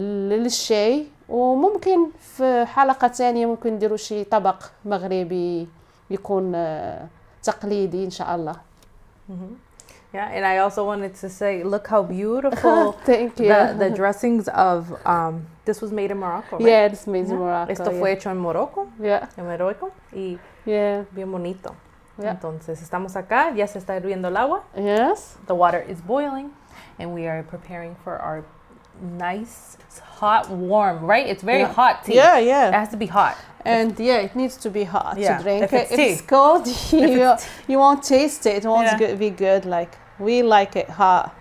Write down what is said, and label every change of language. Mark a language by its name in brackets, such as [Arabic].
[Arabic] للشاي وممكن في حلقة ثانية ممكن نديروا شي طبق مغربي يكون تقليدي إن شاء الله [English] Yeah, and I also wanted to say, look how beautiful the dressings of, this was made in Morocco, right? Yeah, this made in Morocco. [Spanish] Esto fue hecho en Morocco, [English] yeah. [Spanish] En Morocco, y bien bonito. [English] Yeah. [Spanish] Entonces, estamos acá, ya se está hirviendo el agua. [English] Yes. The water is boiling, and we are preparing for our nice, hot, warm, right? It's very hot tea. Yeah, yeah. It has to be hot. And it needs to be hot to drink. If it's cold, you won't taste it. It won't be good. Like, we like it hot.